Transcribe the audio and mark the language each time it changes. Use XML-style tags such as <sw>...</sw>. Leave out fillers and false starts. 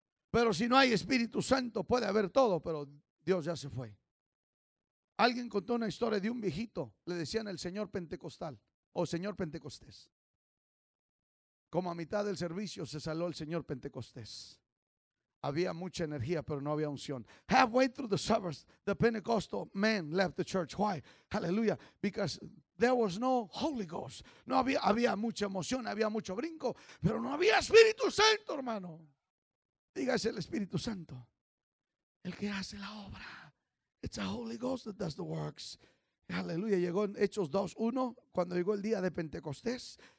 <es>Pero si no hay Espíritu Santo, puede haber todo, pero Dios ya se fue. Alguien contó una historia de un viejito, le decían el Señor Pentecostal o Señor Pentecostés. Como a mitad del servicio se saló el Señor Pentecostés. Había mucha energía, pero no había unción.</es> <en>Halfway through the service, the Pentecostal man left the church. Why? Hallelujah. Because there was no Holy Ghost.</en> <es>No había, había mucha emoción, había mucho brinco, pero no había Espíritu Santo, hermano. Dígase el Espíritu Santo. El que hace la obra.</es> <en>It's a Holy Ghost that does the works. Hallelujah.</en> <es>Llegó en Hechos 2:1, cuando llegó el día de Pentecostés.</es>